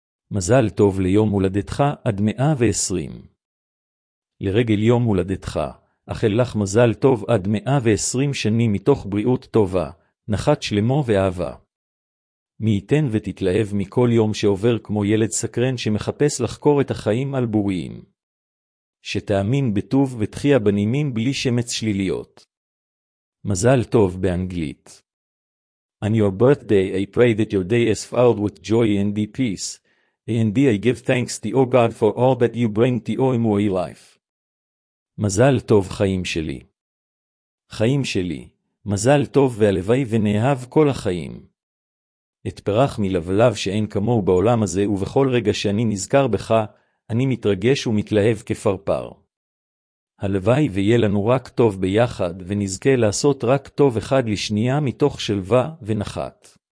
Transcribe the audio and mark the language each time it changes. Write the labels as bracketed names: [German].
[Hebrew] מזל טוב ליום הולדתך עד 120. לרגל יום הולדתך, אחל לך מזל טוב עד 120 שנים מתוך בריאות טובה, נחת שלמו ואהבה. מי ייתן ותתלהב מכל יום שעובר כמו ילד סקרן שמחפש לחקור את החיים על בוריים. שתאמין בטוב ותחיה בנימים בלי שמץ שליליות. מזל טוב באנגלית. [English] On your birthday, I pray that your day is filled with joy and deep peace. And I give thanks to you, God, for all that you bring to you in my life. [Hebrew] מזל טוב חיים שלי. חיים שלי, מזל טוב והלוואי ונאהב כל החיים. אתפרח מלבלב שאין כמוהו בעולם הזה, ובכל רגע שאני נזכר בך, אני מתרגש ומתלהב כפרפר. הלוואי ויהיה לנו רק טוב ביחד, ונזכה לעשות רק טוב אחד לשנייה מתוך שלווה ונחת.